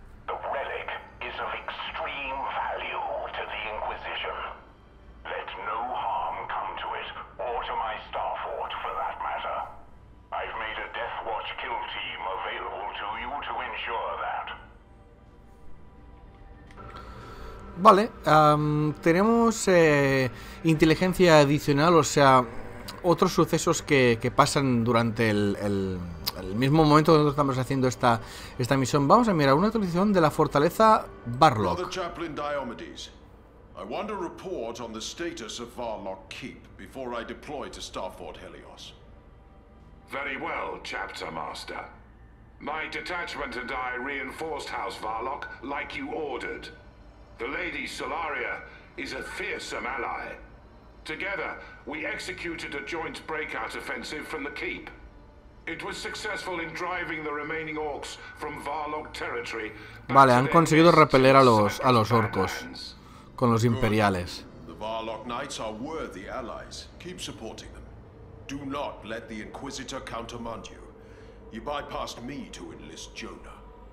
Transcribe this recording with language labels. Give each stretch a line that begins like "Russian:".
English: The relic is of extreme value to the Inquisition. Let no harm come to it, or to my Starfort, for that matter. I've made a Death Watch kill team available to you to ensure that.
Spanish: Vale, tenemos inteligencia adicional, o sea, otros sucesos que pasan durante el mismo momento que nosotros estamos haciendo esta misión. Vamos a mirar una actualización de la fortaleza Varlok.
English: Father Chaplain Diomedes, I want a report on the status of Varlok Keep before I deploy to Starfort Helios. Very well, Chapter Master. My detachment and I reinforced House Varlok like you ordered. The Lady Solaria is a fearsome ally. Together, we executed a joint breakout offensive from the keep. It was successful in driving the remaining orcs from Varlok territory.
Spanish: Vale, han conseguido repeler a los orcos con los imperiales.
English: The Varlok Knights are worthy allies. Keep supporting them. Do not let the Inquisitor countermand you. You bypassed me to enlist Jonah.